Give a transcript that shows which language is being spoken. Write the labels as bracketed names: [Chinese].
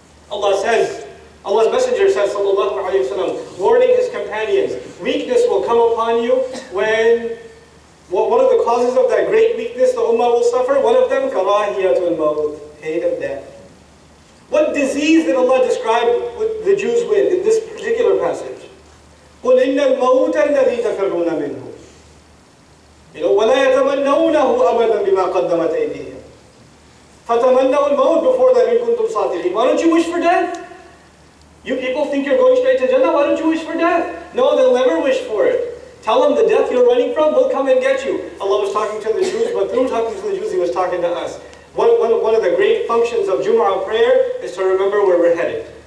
[English] Allah says, Allah's Messenger says, sallallahu alayhi wa sallam, warning his companions, weakness will come upon you when, one of the causes of that great weakness the ummah will suffer, one of them, karahiyatul maut, hate of death. What disease did Allah describe with the Jews with in this particular passage? [Arabic] قُلْ إِنَّ الْمَوْتَ الَّذِي تَفَرُّونَ مِنْهُ. [English] You know, [Arabic] وَلَا يَتَمَنَّوْنَهُ أَبَدًا بِمَا قَدَّمَتْ أَيْدِيهِمْ. فَتَمَنَّوا الْمَوْتَ [English] before that in [Arabic] كُنْتُمْ صَادِقِينَ. [English] Why don't you wish for death? You people think you're going straight to Jannah, why don't you wish for death? No, they'll never wish for it. Tell them the death you're running from, he'll come and get you. Allah was talking to the Jews, but through talking to the Jews, he was talking to us. One of the great functions of Jumu'ah prayer is to remember where we're headed.